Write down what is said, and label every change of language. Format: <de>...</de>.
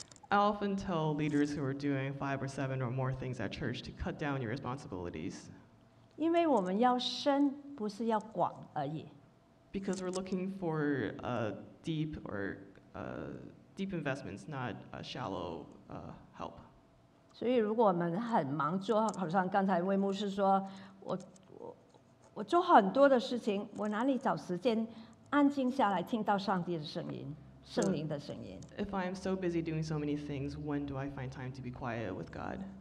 <en>I often tell leaders who are doing 5 or 7 or more things at church to cut down your responsibilities.</en> <zh>因为我们要深，不是要广而已。</zh> <en>Because we're looking for deep or deep investments, not a shallow help.</en> <zh>所以如果我们很忙做，好像刚才魏牧师说，我做很多的事情，我哪里找时间安静下来听到上帝的声音，圣灵的声音？</zh> <en>If I am so busy doing so many things, when do I find time to be quiet with God?</en>